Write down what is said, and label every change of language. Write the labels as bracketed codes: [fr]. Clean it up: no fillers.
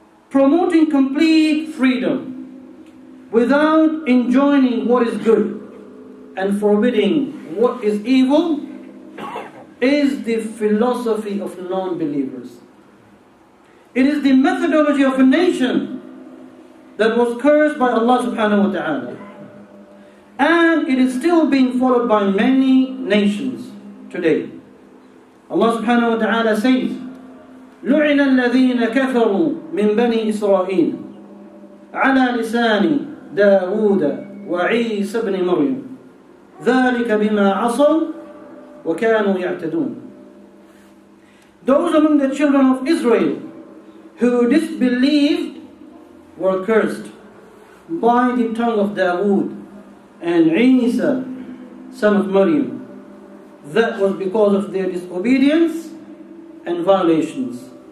[en] Promoting complete freedom without enjoining what is good and forbidding what is evil is the philosophy of non-believers. It is the methodology of a nation that was cursed by Allah subhanahu wa ta'ala, and it is still being followed by many nations today. Allah subhanahu wa ta'ala says, [ar] لُعِنَ الَّذِينَ كَفَرُوا مِنْ بَنِي إِسْرَائِيلَ عَلَى لِسَانِ دَاوُودَ وَعِيسَى بْنِ مَرْيَمَ ذَلِكَ بِمَا عَصَوْا وَكَانُوا يَعْتَدُونَ. [en] Those among the children of Israel who disbelieved were cursed by the tongue of Dawood and Isa, son of Maryam. That was because of their disobedience and violations.